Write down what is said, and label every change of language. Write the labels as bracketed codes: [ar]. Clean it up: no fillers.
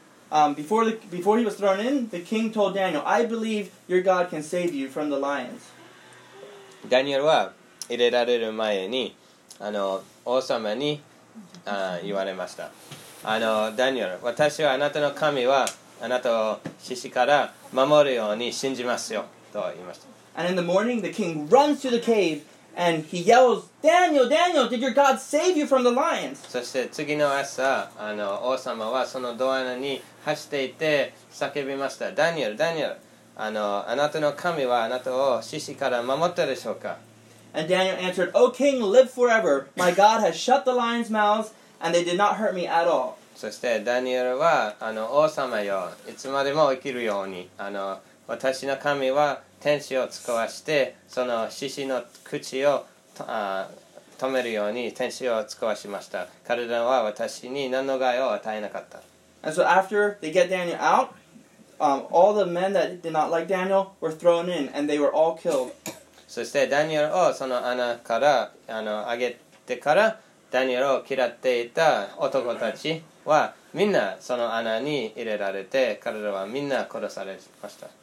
[en] Before he was thrown in, the king told Daniel, I believe your God can save you from the lions. [ja] ダニエルは入れられる前に王様に言われました。ダニエル、私はあなたの神はあなたを獅子から守るように信じますよと言いました。 [en] And in the morning, the king runs to the cave and he yells, Daniel, Daniel, did your God save you from the lions? [ja] そして次の朝、王様はそのドアに走っていて叫びました。ダニエル、ダニエル、あなたの神はあなたを獅子から守ったでしょうか。 [en] And Daniel answered, O king, live forever. My God has shut the lions' mouths and they did not hurt me at all. [ja] そしてダニエルは王様よ、いつまでも生きるように、私の神は天使を使わして、その獅子の口を止めるように天使を使わしました。彼らは私に何の害を与えなかった。 [en] And so after they get Daniel out, all the men that did not like Daniel were thrown in and they were all killed. [ja] そしてダニエルをその穴から上げてから、ダニエルを嫌っていた男たちはみんなその穴に入れられて、彼らはみんな殺されました。